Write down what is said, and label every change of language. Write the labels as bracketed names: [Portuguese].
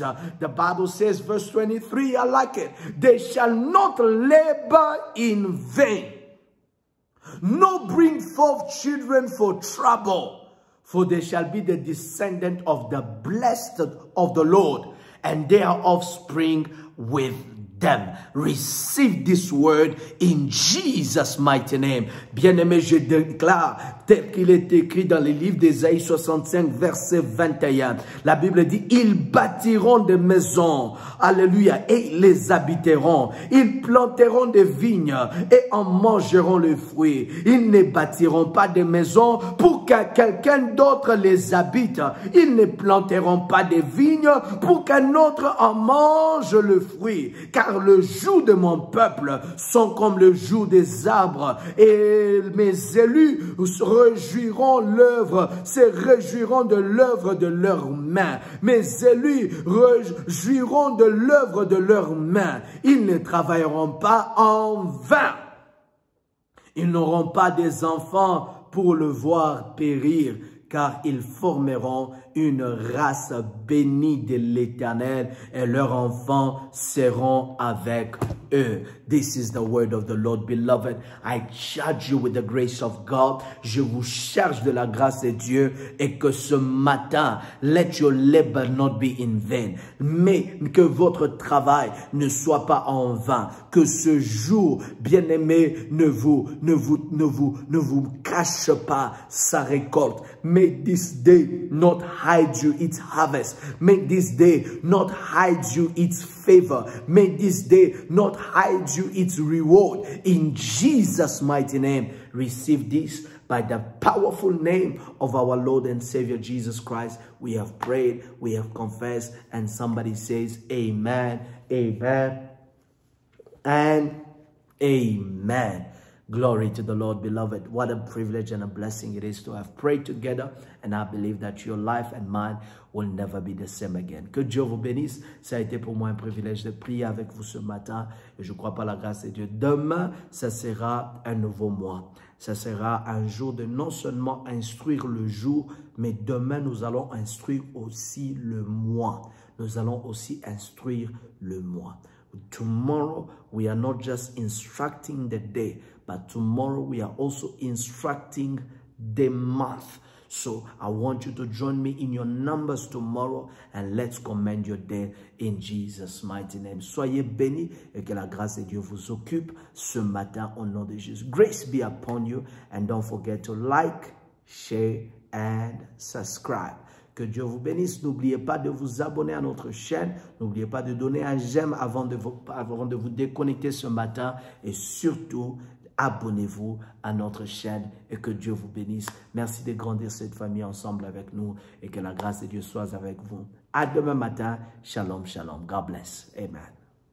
[English] The Bible says, verse 23, I like it. They shall not labor in vain, nor bring forth children for trouble. For they shall be the descendant of the blessed of the Lord, and their offspring with them. Receive this word in Jesus' mighty name. [French] Bien-aimé, je déclare, tel qu'il est écrit dans le livre d'Ésaïe 65, verset 21. La Bible dit, ils bâtiront des maisons, alléluia, et les habiteront. Ils planteront des vignes et en mangeront le fruit. Ils ne bâtiront pas des maisons pour que quelqu'un d'autre les habite. Ils ne planteront pas des vignes pour qu'un autre en mange le fruit. Car le jour de mon peuple sont comme le jour des arbres et mes élus réjouiront l'œuvre, se réjouiront de l'œuvre de leurs mains. Mes élus réjouiront de l'œuvre de leurs mains. Ils ne travailleront pas en vain. Ils n'auront pas des enfants pour le voir périr, car ils formeront une race bénie de l'Éternel et leurs enfants seront avec eux. [English] This is the word of the Lord. Beloved, I charge you with the grace of God. [French] Je vous charge de la grâce de Dieu et que ce matin, [English] let your labor not be in vain. [French] Mais que votre travail ne soit pas en vain. Que ce jour, bien-aimé, ne vous cache pas sa récolte. [English] May this day not hide you its harvest. May this day not hide you its favor. May this day not hide you its reward. In Jesus' mighty name, receive this by the powerful name of our Lord and Savior Jesus Christ. We have prayed, we have confessed, and somebody says, amen, amen, and amen. Glory to the Lord, beloved. What a privilege and a blessing it is to have prayed together. And I believe that your life and mine will never be the same again. [French] Que Dieu vous bénisse. Ça a été pour moi un privilège de prier avec vous ce matin. Et je crois par la grâce de Dieu. Demain, ça sera un nouveau mois. Ça sera un jour de non seulement instruire le jour, mais demain, nous allons instruire aussi le mois. Nous allons aussi instruire le mois. [English] Tomorrow, we are not just instructing the day, but tomorrow we are also instructing the month. So I want you to join me in your numbers tomorrow and let's commend your day in Jesus' mighty name. [French] Soyez bénis et que la grâce de Dieu vous occupe ce matin au nom de Jésus. [English] Grace be upon you and don't forget to like, share and subscribe. [French] Que Dieu vous bénisse. N'oubliez pas de vous abonner à notre chaîne. N'oubliez pas de donner un j'aime avant de vous déconnecter ce matin et surtout, abonnez-vous à notre chaîne et que Dieu vous bénisse. Merci de grandir cette famille ensemble avec nous et que la grâce de Dieu soit avec vous. À demain matin. Shalom, shalom. [English] God bless. [French] Amen.